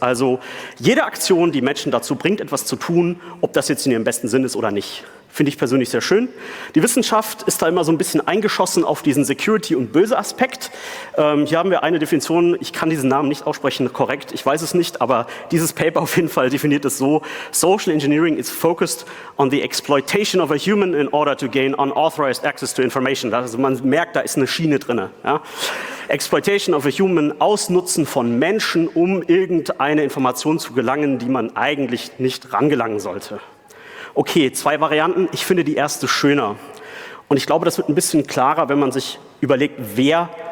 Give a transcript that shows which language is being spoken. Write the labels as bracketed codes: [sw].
[de] Also jede Aktion, die Menschen dazu bringt, etwas zu tun, ob das jetzt in ihrem besten Sinn ist oder nicht. Finde ich persönlich sehr schön. Die Wissenschaft ist da immer so ein bisschen eingeschossen auf diesen Security- und Böse-Aspekt. Hier haben wir eine Definition, ich kann diesen Namen nicht aussprechen, korrekt, ich weiß es nicht, aber dieses Paper auf jeden Fall definiert es so. [en] Social Engineering is focused on the exploitation of a human in order to gain unauthorized access to information. [de] Also man merkt, da ist eine Schiene drin. Ja. [en] Exploitation of a human, [de] Ausnutzen von Menschen, um irgendeine Information zu gelangen, die man eigentlich nicht rangelangen sollte. Okay, zwei Varianten. Ich finde die erste schöner. Und ich glaube, das wird ein bisschen klarer, wenn man sich überlegt, wer